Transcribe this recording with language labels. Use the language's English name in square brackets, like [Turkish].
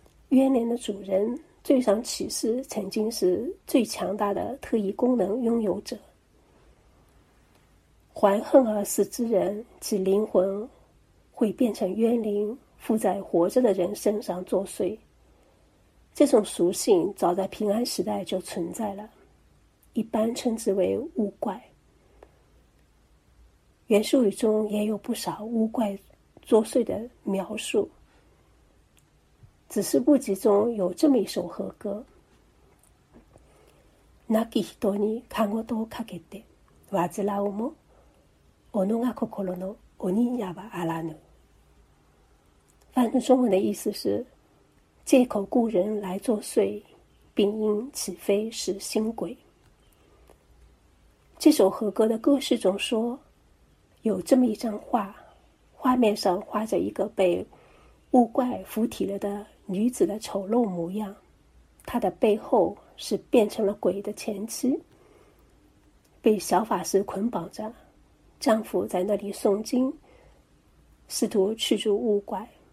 [Chinese] 冤灵的主人最上骑士曾经是最强大的特异功能拥有者，怀恨而死之人其灵魂会变成冤灵附在活着的人身上作祟，这种属性早在平安时代就存在了，一般称之为巫怪。原术语中也有不少巫怪作祟的描述。子时部集中有这么一首和歌： [Japanese] 泣き人に看護とをかけて煩うも己が心の鬼やばあらぬ。 [Chinese] 翻译中文的意思是借口故人来作祟，并因岂非是心鬼。这首和歌的歌词中说，有这么一张画，画面上画着一个被巫怪附体了的女子的丑陋模样，她的背后是变成了鬼的前妻，被小法师捆绑着，丈夫在那里诵经试图驱逐巫怪。